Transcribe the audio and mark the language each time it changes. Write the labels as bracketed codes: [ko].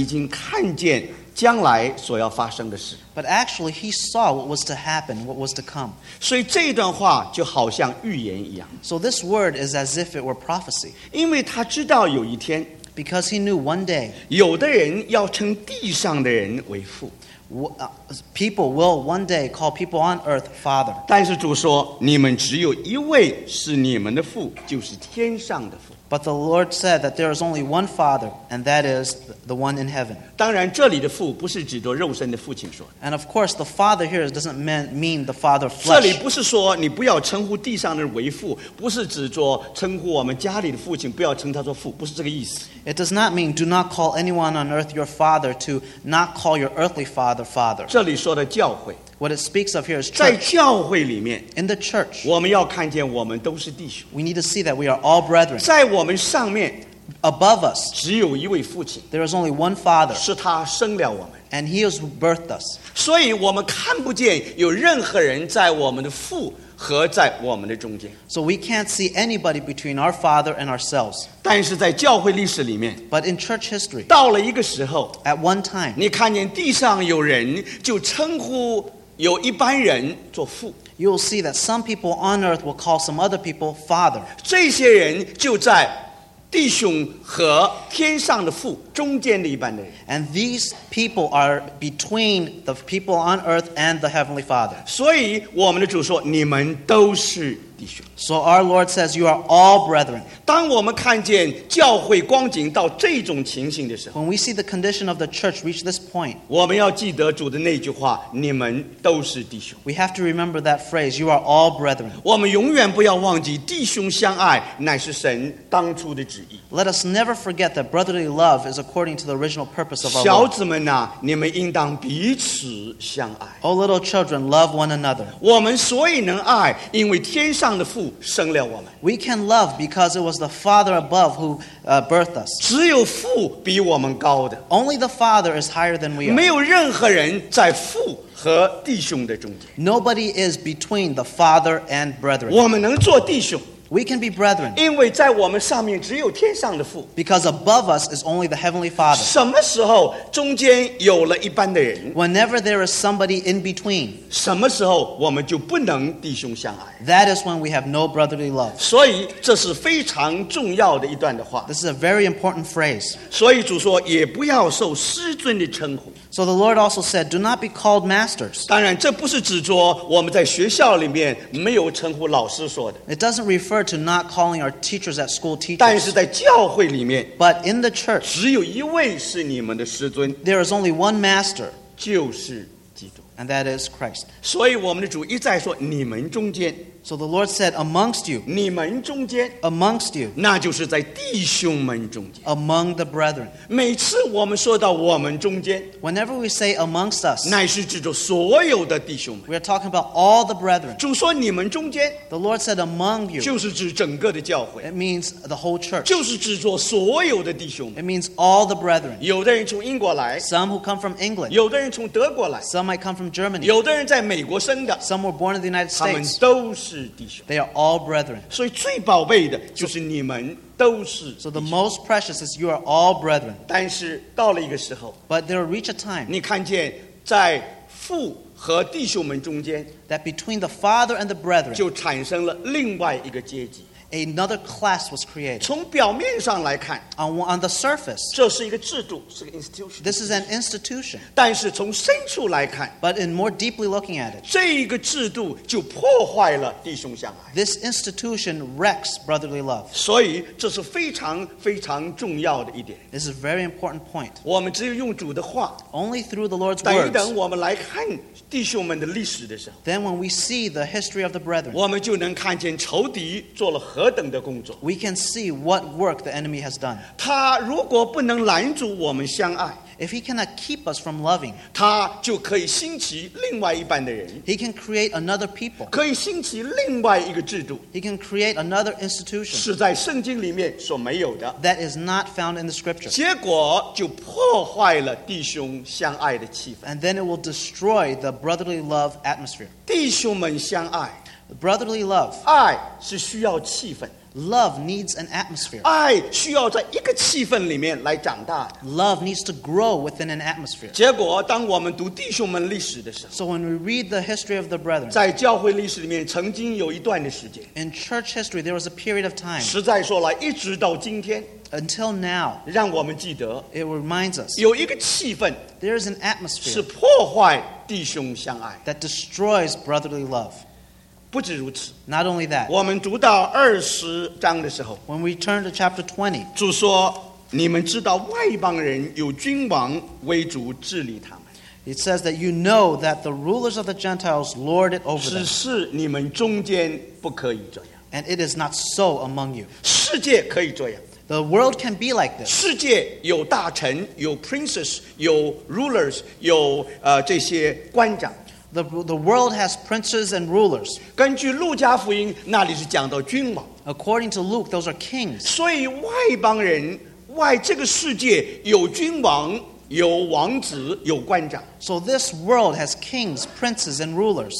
[zh] 实在说来，主说这话的时候，他已经看见将来所要发生的事。 [en] But actually, he saw what was to happen, what was to come. [zh] 所以这段话就好像预言一样。 [en] So this word is as if it were prophecy. [zh] 因为他知道有一天， [en] Because he knew one day, [zh] 有的人要称地上的人为父。 [en] People will one day call people on earth father. [zh] 但是主说, 你们只有一位是你们的父, 就是天上的父。 [en] But the Lord said that there is only one father, and that is the one in heaven. [zh] 当然这里的父不是指着肉身的父亲说的。 [en] And of course, the father here doesn't mean the father flesh. [zh] 这里不是说你不要称呼地上的人为父, 不是指着称呼我们家里的父亲, 不要称他做父, 不是这个意思。 [en] It does not mean do not call anyone on earth your father to not call your earthly father father. [zh] 这里说的教会。 [en] What it speaks of here is church. [zh] 在教会里面, [en] in the church, [zh] 我们要看见我们都是弟兄。 [en] We need to see that we are all brethren. [zh] 在我们上面, [en] above us, [zh] 只有一位父亲。 [en] There is only one father. [zh] 是他生了我们。 [en] And he has birthed us. [zh] 所以我们看不见有任何人在我们的父和在我们的中间。 [en] So we can't see anybody between our father and ourselves. [zh] 但是在教会历史里面, [en] but in church history, [zh] 到了一个时候, [en] at one time, [zh] 你看见地上有人就称呼有一般人做父。 [en] You'll see that some people on earth will call some other people father. [zh] 这些人就在弟兄和天上的父中间的一般的人。 [en] And these people are between the people on earth and the heavenly father. [zh] 所以我们的主说，你们都是弟兄。 [en] So our Lord says, you are all brethren. [zh] 当我们看见教会光景到这种情形的时候， [en] when we see the condition of the church reach this point, [zh] 我们要记得主的那句话，你们都是弟兄。 [en] We have to remember that phrase, you are all brethren. [zh] 我们永远不要忘记，弟兄相爱乃是神当初的旨意。 [en] Let us never forget that brotherly love is according to the original purpose of our Lord. [zh] 小子们啊，你们应当彼此相爱。 [en] Oh, little children, love one another. [zh] 我们所以能爱，因为天上的父生了我们。 [en] We can love because it was the Father above who birthed us. [zh] 只有父比我们高的。 [en] Only the Father is higher than we are. [zh] 没有任何人在父和弟兄的中间。 [en] Nobody is between the Father and brethren. [zh] 我们能做弟兄。 [en] We can be brethren. [zh] 因为在我们上面只有天上的父。 [en] Because above us is only the heavenly Father. [zh] 什么时候中间有了一般的人？ [en] Whenever there is somebody in between. [zh] 什么时候我们就不能弟兄相爱？ [en] That is when we have no brotherly love. [zh] 所以这是非常重要的一段的话。 [en] This is a very important phrase. [zh] 所以主说，也不要受师尊的称呼。 [en] So the Lord also said, do not be called masters. [zh] 当然，这不是指着我们在学校里面没有称呼老师说的。 [en] It doesn't refer to not calling our teachers at school teachers. [zh] 但是在教会里面， [en] but in the church, [zh] 只有一位是你们的师尊。 [en] There is only one master. [zh] 就是基督。 [en] And that is Christ. [zh] 所以我们的主一再说，你们中间。 [en] So the Lord said, amongst you. [zh] 你们中间。 [en] Amongst you. [zh] 那就是在弟兄们中间。 [en] Among the brethren. [zh] 每次我们说到我们中间。 [en] Whenever we say amongst us. [zh] 乃是指着所有的弟兄们。 [en] We are talking about all the brethren. [zh] 主说你们中间。 [en] The Lord said, among you. [zh] 就是指整个的教会。 [en] It means the whole church. [zh] 就是指着所有的弟兄们。 [en] It means all the brethren. [zh] 有的人从英国来。 [en] Some who come from England. [zh] 有的人从德国来。 [en] Some might come from Germany. [zh] 有的人在美国生的。 [en] Some were born in the United States. [zh] 他们都是。 [en] They are all brethren. [zh] 所以最宝贝的就是你们都是。 [en] So the most precious is you are all brethren. [zh] 但是到了一个时候， [en] but there will reach a time. [zh] 你看见在父和弟兄们中间， [en] that between the father and the brethren, [zh] 就产生了另外一个阶级。 [en] Another class was created. [zh] 从表面上来看， [en] on the surface, [zh] 这是一个制度，是个 institution. [en] This is an institution. [zh] 但是从深处来看， [en] but in more deeply looking at it, [zh] 这一个制度就破坏了弟兄相爱。 [en] This institution wrecks brotherly love. [zh] 所以这是非常非常重要的一点。 [en] This is a very important point. [zh] 我们只有用主的话， [en] only through the Lord's words. [zh] 等一等，我们来看弟兄们的历史的时候， [en] then when we see the history of the brethren, [zh] 我们就能看见仇敌做了何。 [en] We can see what work the enemy has done. [zh] 他如果不能拦阻我们相爱， [en] if he cannot keep us from loving, [zh] 他就可以兴起另外一般的人， [en] he can create another people, [zh] 可以兴起另外一个制度， [en] he can create another institution, [zh] 是在圣经里面所没有的， [en] that is not found in the scripture. [zh] 结果就破坏了弟兄相爱的气氛， [en] and then it will destroy the brotherly love atmosphere. [zh] 弟兄们相爱， [en] brotherly love, [zh] 爱是需要气氛。 [en] Love needs an atmosphere. [zh] 爱需要在一个气氛里面来长大。 [en] Love needs to grow within an atmosphere. [zh] 结果，当我们读弟兄们历史的时候， [en] so when we read the history of the brethren, [zh] 在教会历史里面曾经有一段的时间， [en] in church history there was a period of time. [zh] 实在说来，一直到今天。 [en] Until now, [zh] 让我们记得， [en] it reminds us, [zh] 有一个气氛， [en] there is an atmosphere, [zh] 是破坏弟兄相爱， [en] that destroys brotherly love. [zh] 不止如此， [en] not only that, [zh] 我们读到二十章的时候， [en] when we turn to chapter 20, [zh] 主说你们知道外邦人有君王为主治理他们， [en] it says that you know that the rulers of the Gentiles lord it over them, [zh] 只是你们中间不可以这样， [en] and it is not so among you, [zh] 世界可以这样， [en] the world can be like this, [zh] 世界有大臣，有 princes, 有 rulers, 有这些官长， [en] The world has princes and rulers. [zh] 根据路加福音，那里是讲到君王。 [en] According to Luke, those are kings. [zh] 所以外邦人，外这个世界有君王，有王子，有官长。 [en] So this world has kings, princes, and rulers.